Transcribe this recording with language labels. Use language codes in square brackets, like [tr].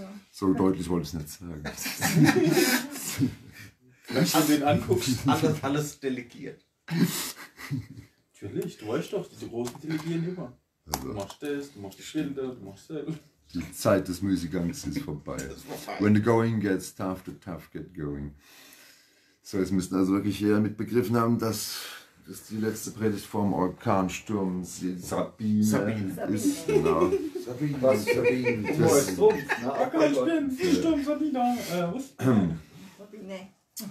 [de] So deutlich wollte ich es nicht sagen. Vielleicht an den anguckst, alles delegiert. Natürlich, du weißt doch, diese Großen delegieren immer. Also, du machst die Schilder, du machst selber. Die Zeit des Musikgangs ist vorbei. [en] When the going gets tough, the tough get going. [de] So, jetzt müssen also wirklich hier mit begriffen haben, dass die letzte Predigt vorm Orkansturm Sabine ist. Genau. Sabine, was ist Sabine? Wo ist Orkansturm Sabine?